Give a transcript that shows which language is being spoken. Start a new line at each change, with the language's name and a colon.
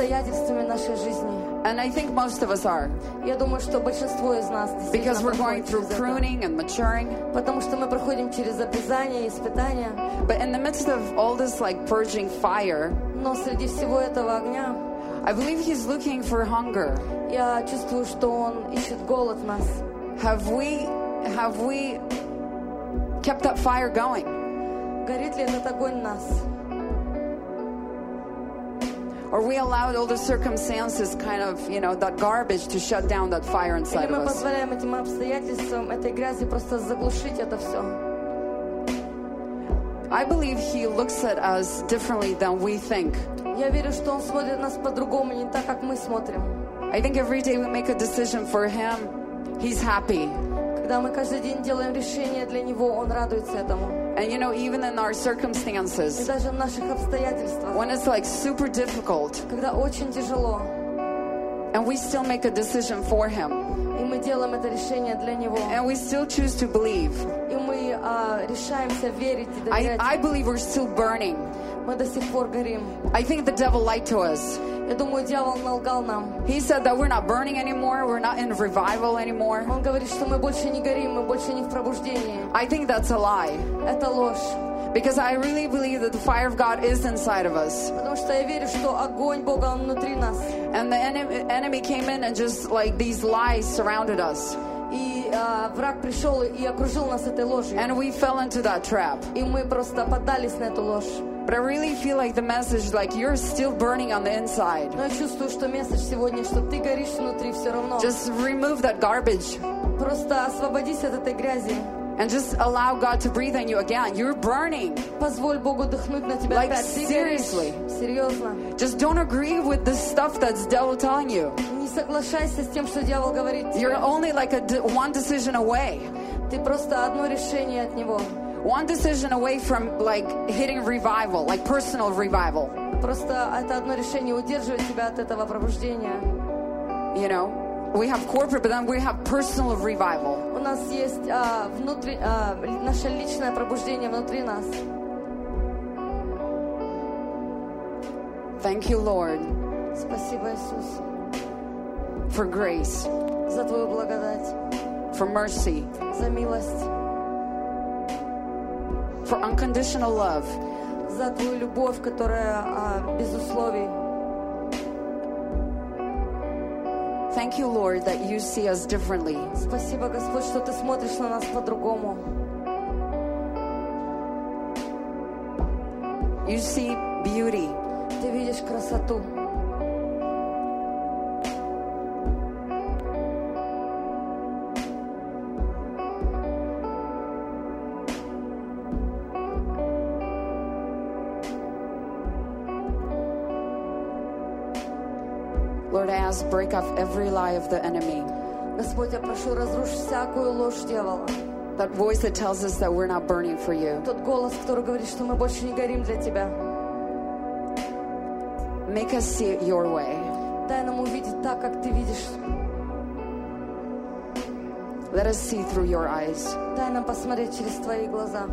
Russian: Обстоятельствами нашей жизни.
English: And I think most of us are.
Russian: Я думаю, что большинство из нас.
English: Because we're going through pruning and maturing.
Russian: Потому что мы проходим через обрезание и испытания.
English: But in the midst of all this like purging fire.
Russian: Но среди всего этого огня.
English: I believe he's looking for hunger.
Russian: Я чувствую, что он ищет голод в нас.
English: Have we kept that fire going?
Russian: Горит ли этот огонь в нас?
English: Or we allowed all the circumstances, kind of, you know, that garbage to shut down that fire inside of us.
Russian: Или мы позволяем этим обстоятельствам, этой грязи просто заглушить это все?
English: I believe he looks at us differently than we think.
Russian: Я верю, что он смотрит нас по-другому, не так, как мы смотрим.
English: I think every day we make a decision for him, he's happy.
Russian: Когда мы каждый день делаем решение для него, он радуется этому.
English: And you know, even in our circumstances,
Russian: и даже в наших обстоятельствах,
English: when it's like super difficult,
Russian: когда очень тяжело,
English: and we still make a decision for him,
Russian: и мы делаем это решение для него,
English: and we still choose to believe,
Russian: и мы решаемся верить и доверять.
English: I believe we're still burning.
Russian: Мы до сих пор горим.
English: I think the devil lied to us.
Russian: Я думаю, дьявол налгал нам.
English: He said that we're not burning anymore, we're not in revival anymore.
Russian: Он говорит, что мы больше не горим, мы больше не в пробуждении.
English: I think that's a lie.
Russian: Это ложь.
English: Because I really believe that the fire of God is inside of us.
Russian: Потому что я верю, что огонь Бога внутри нас.
English: And the enemy came in and just like these lies surrounded us.
Russian: И враг пришел и окружил нас этой ложью.
English: And we fell into that trap.
Russian: И мы просто поддались на эту ложь.
English: But I really feel like the message, like you're still burning on the inside.
Russian: Но я чувствую, что месседж сегодня, что ты горишь внутри все равно.
English: Just remove that garbage.
Russian: Просто освободись от этой грязи.
English: And just allow God to breathe on you again. You're burning.
Russian: Позволь Богу дыхнуть на тебя.
English: Like seriously.
Russian: Серьезно.
English: Just don't agree with the stuff that's devil telling you.
Russian: Не соглашайся с тем, что дьявол говорит тебе.
English: You're only like one decision away.
Russian: Ты просто одно решение от него.
English: One decision away from like hitting revival, like personal revival.
Russian: Просто это одно решение удерживает тебя от этого пробуждения.
English: You know? We have corporate, but then we have personal revival.
Russian: У нас есть внутри наше личное пробуждение внутри нас.
English: Thank you, Lord.
Russian: Спасибо, Иисус.
English: For grace.
Russian: За твою благодать.
English: For mercy.
Russian: За милость.
English: For unconditional love.
Russian: За твою любовь, которая без условий.
English: Thank you, Lord, that you see us differently.
Russian: Спасибо, Господь, что ты смотришь на нас по-другому.
English: You see beauty.
Russian: Ты видишь красоту.
English: Break off every lie of the enemy.
Russian: Господь, я прошу разрушить всякую ложь дьявола.
English: That voice that tells us that we're not burning for you.
Russian: Тот голос, который говорит, что мы больше не горим для тебя.
English: Make us see it your way.
Russian: Дай нам увидеть так, как ты видишь.
English: Let us see through your eyes.
Russian: Дай нам посмотреть через твои глаза.